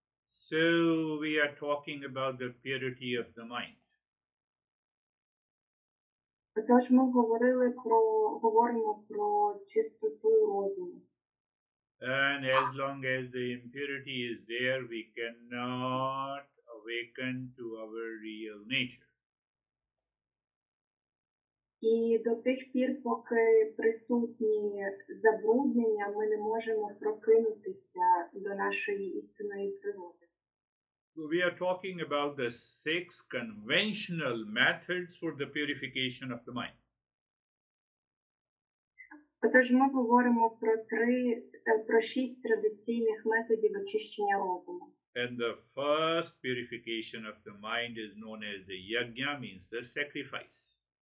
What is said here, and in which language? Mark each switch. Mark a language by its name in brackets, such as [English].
[English] So we are talking about the purity of the mind. [Ukrainian] Також ми говорили про чистоту розуму. [English] And as long as the impurity is there, we cannot awaken to our real nature. [Ukrainian] І до тих пір, поки присутні забруднення, ми не можемо прокинутися до нашої істинної природи. [English] We are talking about the six conventional methods for the purification of the mind. [Ukrainian] Отож, ми говоримо про шість традиційних методів очищення розуму. [English] And the first purification of the mind is known as the yajna, means the sacrifice.